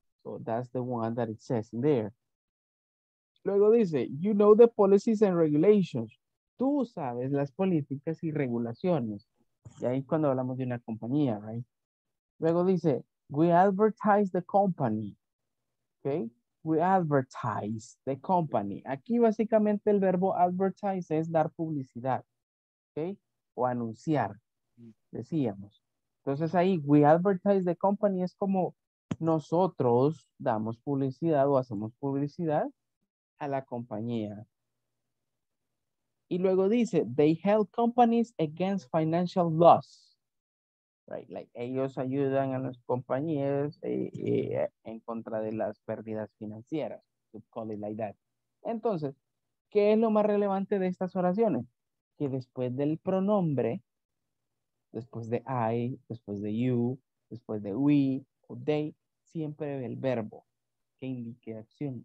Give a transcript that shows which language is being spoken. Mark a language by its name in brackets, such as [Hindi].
[English] So that's the one that it says in there. [Spanish] Luego dice, [English] you know the policies and regulations. [Spanish] Tú sabes las políticas y regulaciones. Y ahí es cuando hablamos de una compañía, [English] right? [Spanish] Luego dice, [English] we advertise the company. Okay? We advertise the company. [Spanish] Aquí básicamente el verbo advertise es dar publicidad. Okay? O anunciar, decíamos. Entonces ahí, [English] we advertise the company [Spanish] es como nosotros damos publicidad o hacemos publicidad a la compañía. Y luego dice, [English] they help companies against financial loss. Right, like [Spanish] ellos ayudan a las compañías en contra de las pérdidas financieras. [English] To call it like that. [Spanish] Entonces, ¿qué es lo más relevante de estas oraciones? Que después del pronombre, después de I, después de you, después de we o they, siempre el verbo que indique acción.